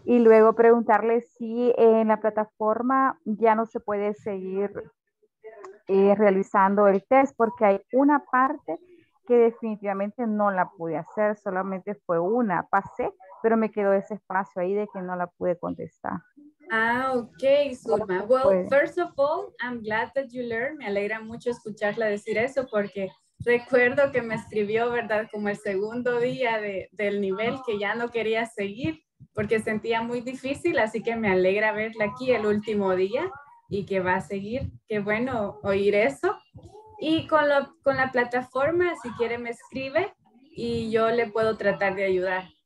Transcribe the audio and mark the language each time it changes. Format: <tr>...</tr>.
<es>Y luego preguntarle si en la plataforma ya no se puede seguir realizando el test, porque hay una parte que definitivamente no la pude hacer, solamente fue una, pasé, pero me quedó ese espacio ahí de que no la pude contestar.</es> <en>Ah, okay, Zulma. Well, first of all, I'm glad that you learned.</en> <es>Me alegra mucho escucharla decir eso, porque recuerdo que me escribió, ¿verdad?, como el segundo día del nivel, que ya no quería seguir porque sentía muy difícil, así que me alegra verla aquí el último día y que va a seguir. Qué bueno oír eso. Y con la plataforma, si quiere me escribe y yo le puedo tratar de ayudar.</es>